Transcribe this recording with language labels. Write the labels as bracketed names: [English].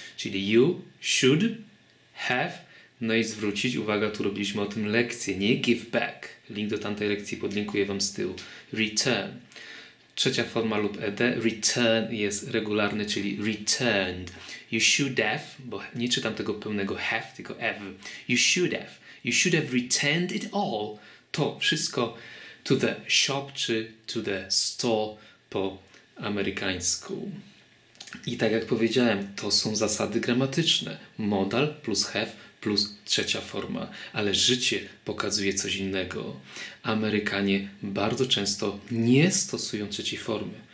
[Polish] Czyli [English] you should have, [Polish] no i zwrócić, uwaga, tu robiliśmy o tym lekcję, nie [English] give back. [Polish] Link do tamtej lekcji podlinkuję Wam z tyłu. Return. Trzecia forma lub ed. Return jest regularny, czyli returned. [English] You should have, [Polish] bo nie czytam tego pełnego have, tylko have. [English] You should have. You should have returned it all. [Polish] To wszystko [English] to the shop [Polish] czy [English] to the store [Polish] po amerykańsku. I tak jak powiedziałem, to są zasady gramatyczne. Modal plus have plus trzecia forma. Ale życie pokazuje coś innego. Amerykanie bardzo często nie stosują trzeciej formy.